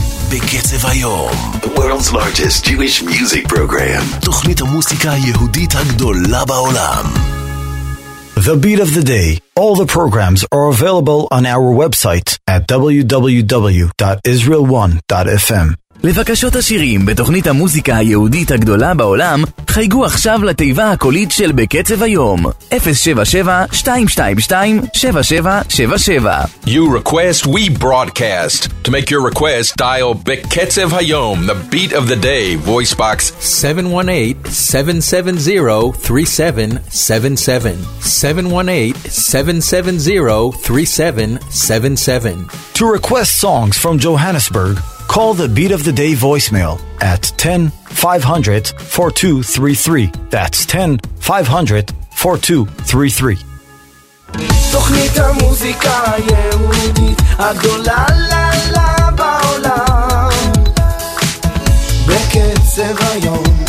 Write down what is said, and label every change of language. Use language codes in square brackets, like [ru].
[he] בקצב היום, [en] the world's largest Jewish music program, [he] תוכנית המוסיקה היהודית הגדולה בעולם. [en] The beat of the day. All the programs are available on our website at www.israel1.fm. [he] לבקשות השירים בתוכנית המוזיקה היהודית הגדולה בעולם, חייגו עכשיו לתיבה הקולית של בקצב היום, 077-222-7777. [en] You request, we broadcast. To make your request, dial בקצב היום, the beat of the day, voice box 718-770-3777. 718-770-3777. To request songs from Johannesburg, call the Beat of the Day voicemail at 10-500-4233. That's 10-500-4233. [he] תוכנית המוזיקה היהודית הגדולה לה לה בעולם, בקצב היום.